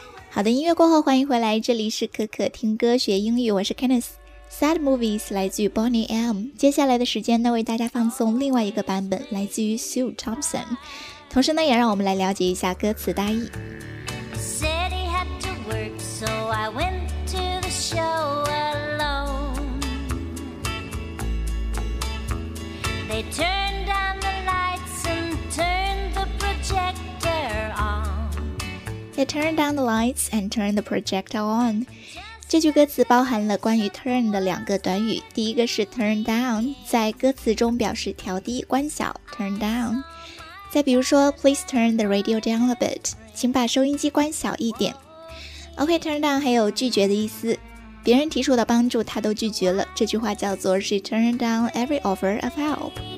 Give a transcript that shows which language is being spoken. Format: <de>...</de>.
<zh>好的，音乐过后欢迎回来，这里是可可听歌学英语，我是 Kenneth。 Sad Movies 来自于 Bonnie M， 接下来的时间呢为大家放送另外一个版本，来自于 Sue Thompson， 同时呢也让我们来了解一下歌词大意。</zh> <en>Said he had to work so I went to the show alone. They turned down the lights and turned the projector onThey turned down the lights and turned the projector on.</en> <zh>这句歌词包含了关于 turn 的两个短语，第一个是 turn down， 在歌词中表示调低、关小 turn down。再比如说</zh> <en>please turn the radio down a bit，</en> <zh>请把收音机关小一点。 OK， turn down 还有拒绝的意思，别人提出的帮助他都拒绝了，这句话叫做</zh> <en>she turned down every offer of help。</en>